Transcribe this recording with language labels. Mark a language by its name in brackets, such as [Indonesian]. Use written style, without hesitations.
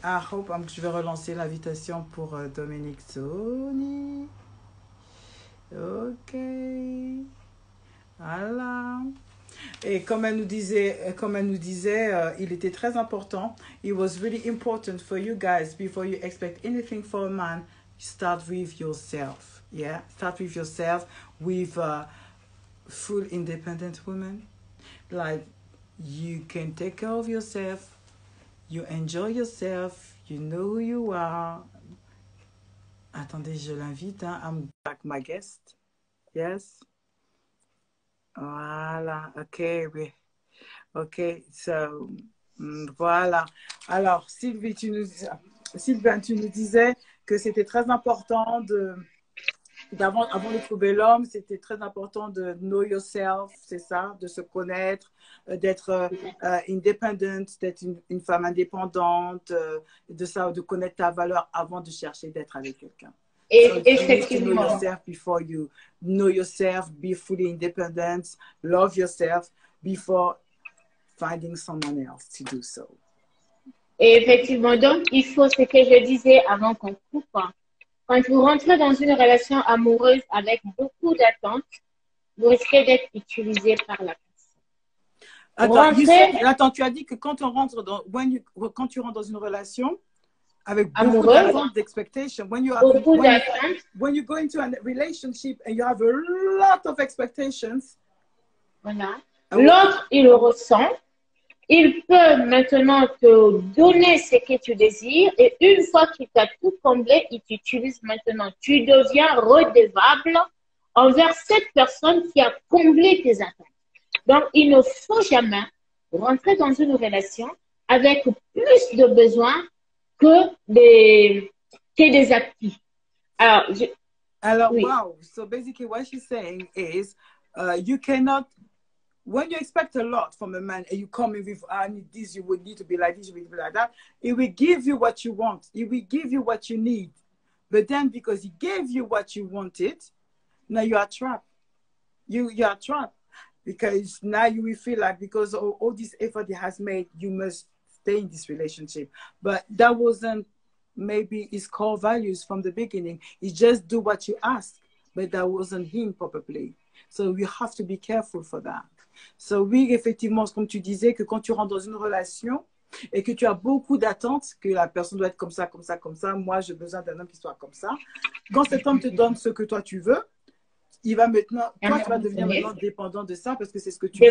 [English] I hope [French] je vais relancer l'invitation pour Dominique Tony. Ok. Voilà. Et comme elle nous disait, il était très important. [English] It was really important for you guys, before you expect anything from a man, start with yourself. Yeah, start with yourself, with a full independent woman. Like, you can take care of yourself, you enjoy yourself, you know who you are. [French] Attendez, je l'invite, hein? [English] I'm back, my guest. Yes. [French] Voilà, ok, oui. Ok, so, voilà. Alors, Sylvain, tu nous disais que c'était très important avant de trouver l'homme, c'était très important de [English] know yourself, [French] c'est ça, de se connaître, d'être independent, d'être une femme indépendante, de connaître ta valeur avant de chercher d'être avec quelqu'un. Effectivement. [English] Know yourself before you know yourself, be fully independent, love yourself before finding someone else to do so. [French] Et effectivement, donc il faut ce que je disais avant qu'on coupe. Quand vous rentrez dans une relation amoureuse avec beaucoup d'attentes, vous risquez d'être utilisé par la personne. Attends, tu as dit que quand tu rentres dans une relation avec beaucoup d'expectations, [English] when you go into a relationship and you have a lot of expectations, [French] voilà, l'autre il ressent. Il peut maintenant te donner ce que tu désires et une fois qu'il t'a tout comblé, il t'utilise maintenant. Tu deviens redevable envers cette personne qui a comblé tes attentes. Donc, il ne faut jamais rentrer dans une relation avec plus de besoins que des acquis. [English] So basically what she's saying is you cannot... When you expect a lot from a man and you come in with, I need this, you would need to be like this, you would be like that, he will give you what you want. He will give you what you need. But then because he gave you what you wanted, now you are trapped. You are trapped because now you will feel like because of all this effort he has made, you must stay in this relationship. But that wasn't maybe his core values from the beginning. He just do what you ask, but that wasn't him probably. So you have to be careful for that. [French] So, oui, effectivement, comme tu disais, que quand tu rentres dans une relation et que tu as beaucoup d'attentes, que la personne doit être comme ça, comme ça, comme ça, moi, j'ai besoin d'un homme qui soit comme ça. Quand cet homme te donne ce que toi, tu veux, tu vas devenir maintenant dépendant de ça parce que c'est ce que tu veux.